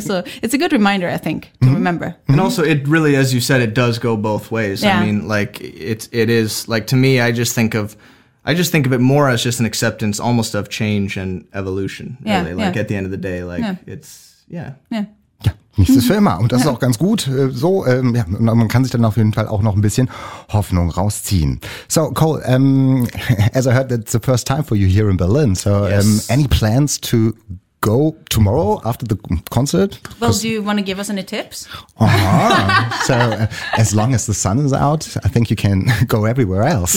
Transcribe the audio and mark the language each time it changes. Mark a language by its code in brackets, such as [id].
[en] So it's a good reminder, I think, to mm-hmm. remember. Mm-hmm. And also, it really, as you said, it does go both ways. Yeah. I mean, like, it is, like, to me, I just think of it more as just an acceptance almost of change and evolution, really. Yeah. Like, yeah. at the end of the day, like, yeah. it's, yeah. Yeah. [de] Nichts ist für immer. Und das ist auch ganz gut. So, ja, man kann sich dann auf jeden Fall auch noch ein bisschen Hoffnung rausziehen. [en] So, Cole, as I heard, it's the first time for you here in Berlin. So, yes. Any plans to go tomorrow after the concert? Well, do you want to give us any tips? Uh-huh. So, as long as the sun is out, I think you can go everywhere else.